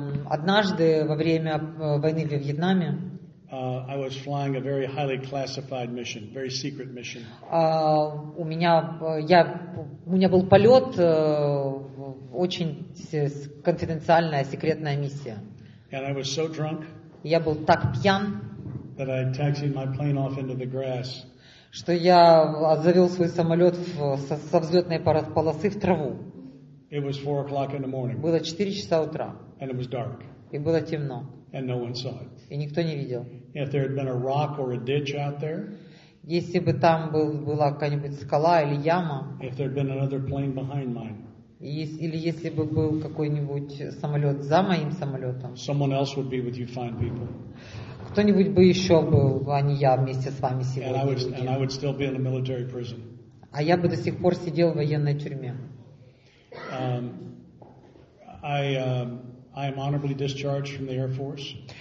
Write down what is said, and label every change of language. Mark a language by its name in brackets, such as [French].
[Russian] Однажды во время войны в Вьетнаме. [English] I was flying a very highly classified mission, very secret mission. [Russian] У меня был полет, очень конфиденциальная, секретная миссия. [English] And I was so drunk. [Russian] Я был так пьян. [English] That I taxied my plane off into the grass. [Russian] Что я завел свой самолет со взлетной полосы в траву. [English] It was 4 o'clock in the morning. [Russian] Было 4 часа утра. [English] And it was dark. [Russian] И было темно. [English] And no one saw it. [Russian] И никто не видел. [English] If there had been a rock or a ditch out there. [Russian] Если бы там была какая-нибудь скала или яма. [English] If there had been another plane behind mine. [Russian] Или если бы был какой-нибудь самолет за моим самолетом. [English] Someone else would be with you fine people. [Russian] Кто-нибудь бы еще был, а не я вместе с вами сегодня. [English] And I would still be in a military prison. [Russian] А я бы до сих пор сидел в военной тюрьме. [English] I am honorably discharged from the Air Force.